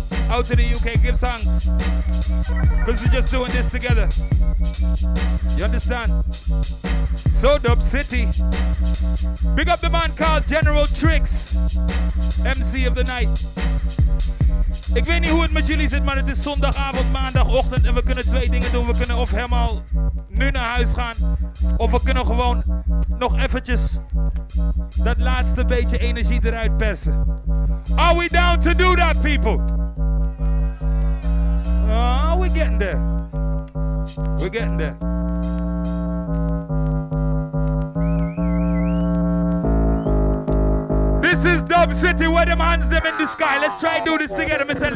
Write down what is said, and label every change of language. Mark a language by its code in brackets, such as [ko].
[en] Out to the UK, give thanks. Cause we're just doing this together. You understand? So Dub City. Big up the man called General Tricks, MC of the night. [nl] Ik weet niet hoe het met jullie zit, maar het is zondagavond, maandagochtend. En we kunnen twee dingen doen. We kunnen of helemaal nu naar huis gaan. Of we kunnen gewoon nog eventjes dat laatste beetje energie eruit persen. [en] Are we down to do that, people? Oh, we're getting there. We're getting there. This is Dub City, where them hands them in the sky. Let's try and do this together. Mr.